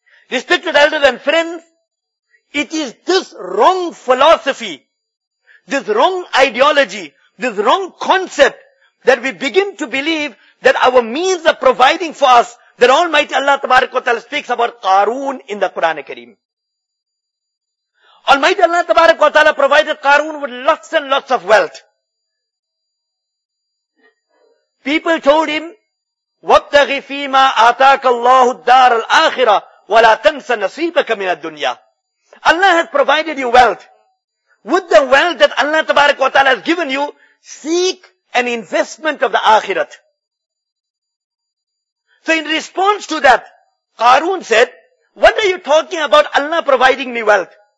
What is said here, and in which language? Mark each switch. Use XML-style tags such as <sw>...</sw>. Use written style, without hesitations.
<en>Respected elders and friends, it is this wrong philosophy, this wrong ideology, this wrong concept that we begin to believe that our means of providing for us, that Almighty Allah Tabarak wa Ta'ala speaks about Qarun in the Quran Kareem. Almighty Allah Tabarak wa Ta'ala provided Qarun with lots and lots of wealth.</en> <ar>People told him, وَابْتَغِ فِي مَا آتَاكَ اللَّهُ الدَّارَ الْآخِرَةِ وَلَا تَنْسَ نَصِيبَكَ مِنَ الدُّنْيَا.</ar> <en>Allah has provided you wealth. With the wealth that Allah Tabarak wa Ta'ala has given you, seek an investment of the Akhirat. So in response to that, Qarun said, what are you talking about Allah providing me wealth?</en>